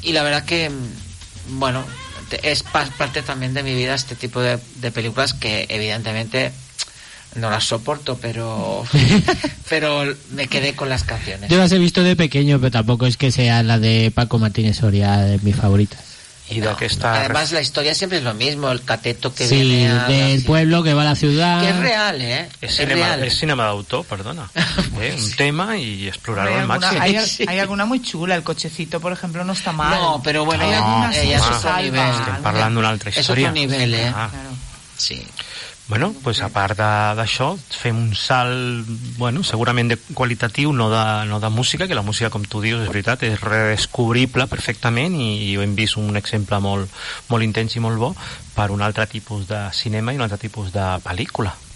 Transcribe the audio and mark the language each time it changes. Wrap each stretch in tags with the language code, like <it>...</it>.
<es>Y la verdad que, bueno, es parte también de mi vida este tipo de películas, que evidentemente no las soporto, pero me quedé con las canciones. Yo las he visto de pequeño, pero tampoco es que sea la de Paco Martínez Soria de mis favoritas.</es> <ca>I no, d'aquesta... No.</ca> <es>Además, la</es> <ca>història sempre és</ca> <es>lo mismo, el cateto que sí, viene... Sí, del pueblo que va a la ciudad...</es> <ca>Que és real, eh? És cinema, cinema d'autor, perdona. Pues un sí. tema i explorar-ho al màxim.</ca> <es>Hay alguna muy chula, el cochecito, por ejemplo, no está mal. No, pero bueno, no, ella se salva.</es> <ca>Estem parlant d'una altra història.</ca> <es>Es otro nivel, eh? Ah. Claro. Sí.</es> <ca>Bueno, pues a part d'això, fem un salt, bueno, segurament de qualitatiu, no de, no de música, que la música, com tu dius, és veritat, és redescobrible perfectament i ho hem vist un exemple molt, molt intens i molt bo per un altre tipus de cinema i un altre tipus de pel·lícula.</ca>